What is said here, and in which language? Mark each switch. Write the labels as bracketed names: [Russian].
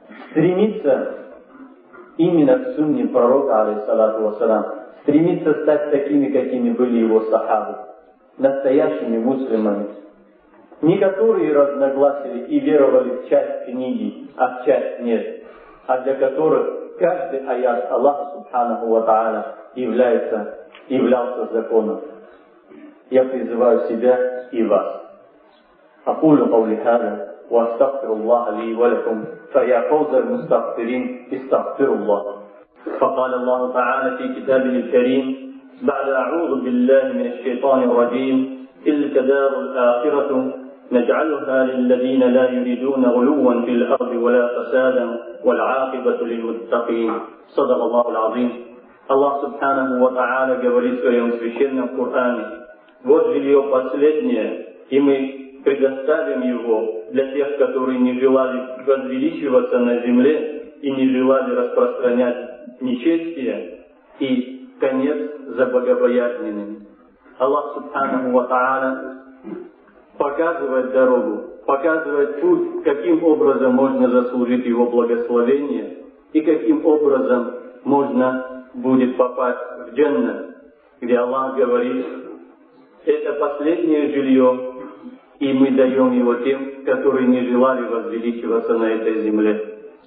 [Russian] Стремиться именно к сунне пророка, алейхиссалату вассалам, стремиться стать такими, какими были его сахабы, настоящими мусульманами. Не которые разногласили и веровали в часть книги, а в часть нет, а для которых каждый аят Аллаха Субханаху ва Тааля являлся законом. Я призываю себя и вас. [Arabic] أقول قولي هذا وأستغفر الله لي ولكم فيا فوز المستغفرين استغفر الله فقال الله تعالى في كتابه الكريم بعد أعوذ بالله من الشيطان الرجيم تلك دار الآخرة نجعلها للذين لا يريدون غلوا في الأرض ولا فسادا والعاقبة للمتقين صدق الله العظيم الله سبحانه وتعالى [Russian] говорит в своем священном Коране вот жилье последнее и мы предоставим его для тех, которые не желали возвеличиваться на земле и не желали распространять нечестие, и конец за богобоязненными. Аллах Субханаху ва Тааля показывает дорогу, показывает путь, каким образом можно заслужить его благословение и каким образом можно будет попасть в Дженна, где Аллах говорит, это последнее жилье, и мы даем его тем, которые не желали возвеличиваться на этой земле.